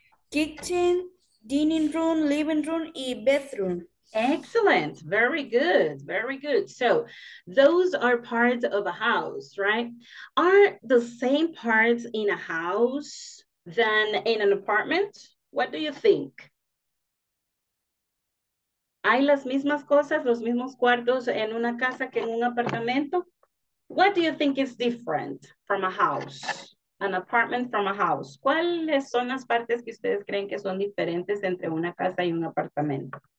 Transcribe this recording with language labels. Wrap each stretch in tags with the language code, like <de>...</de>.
<en>Kitchen, dining room, living room, and bathroom. Excellent. Very good. Very good. So those are parts of a house, right? Are the same parts in a house than in an apartment? What do you think?</en> <es>¿Hay las mismas cosas, los mismos cuartos en una casa que en un apartamento?</es> <en>What do you think is different from a house? An apartment from a house.</en> <es>¿Cuáles son las partes que ustedes creen que son diferentes entre una casa y un apartamento?</es>